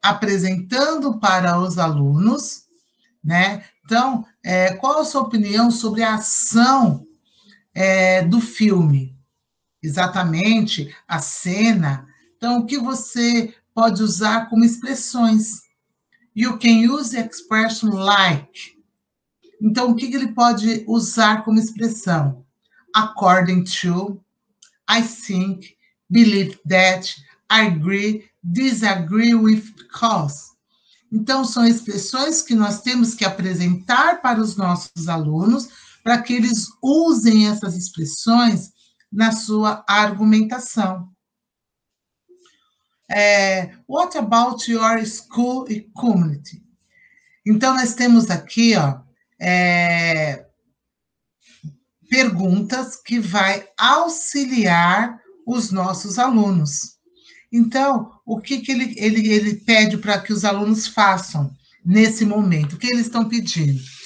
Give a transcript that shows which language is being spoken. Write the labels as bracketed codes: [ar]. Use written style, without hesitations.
[pt] Apresentando para os alunos, né? Então, qual a sua opinião sobre a ação do filme? Exatamente, a cena. Então, o que você pode usar como expressões? [en] You can use the expression like. [pt] Então, o que ele pode usar como expressão? [en] According to, I think, believe that, I agree, disagree with cause. [pt] Então, são expressões que nós temos que apresentar para os nossos alunos, para que eles usem essas expressões na sua argumentação. [en] What about your school and community? [pt] Então, nós temos aqui, ó, perguntas que vai auxiliar os nossos alunos. Então, o que que ele pede para que os alunos façam nesse momento? O que eles estão pedindo?